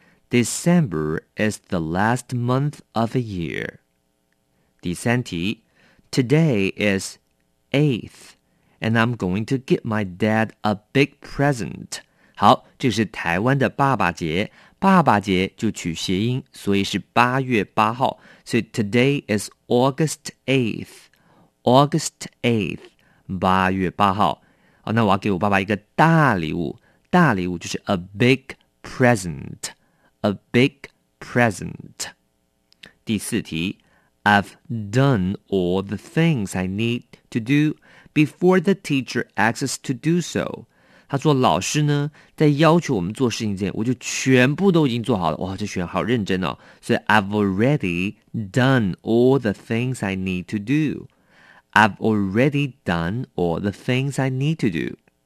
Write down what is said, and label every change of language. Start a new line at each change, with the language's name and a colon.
English: December is the last month of a year。
Chinese: 第三题
English: ，Today is 8th, and I'm going to give my dad a big present.
Chinese: 好，这是台湾的爸爸节，爸爸节就取谐音，所以是八月八号。
English: 所以 Today is August 8th. August 8th,
Chinese: 八月八号。好，那我要给我爸爸一个大礼物，大礼物就是
English: a big present, a big present.
Chinese: 第四题。
English: I've done all the things I need to do before the teacher asks to do so.
Chinese: 他说老师呢在要求我们做事情之前，我就全部都已经做好了。哇，这学员好认真哦。
English: 所以 I've already done all the things I need to do. I've already done all the things I need to do.